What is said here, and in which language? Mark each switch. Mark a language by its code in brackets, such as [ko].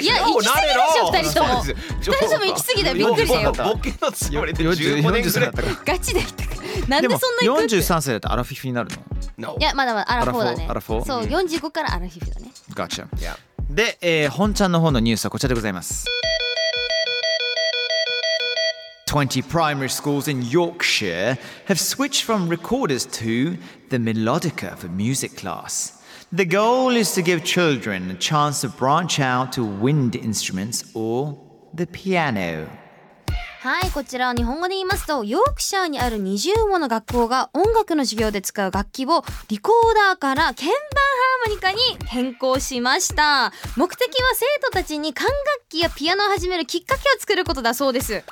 [ja] いや、行き過ぎでしょ、二人とも。二人とも行き過ぎだよ、びっくりだよ。ボケのつもりで15年ぐらいだったから。ガチで行ったから。なんでそんなに行くって。 43歳だったらアラフィフになるの？ [en] No. [ja] いや、まだまだアラフォーだね。アラフォー？そう、45からアラフィフだね。 [en] Gotcha. Yeah. [ja] で、本ちゃんの方のニュースはこちらでございます。 [en] 20 primary schools in Yorkshire have switched from recorders to the melodica for music class. The goal is to give children a chance to branch out to wind instruments or the piano. [ja] はい、こちらは日本語で言いますと、ヨークシャーにある20もの学校が音楽の授業で使う楽器をリコーダーから鍵盤ハーモニカに変更しました。目的は生徒たちに管楽器やピアノを始めるきっかけを作ることだそうです。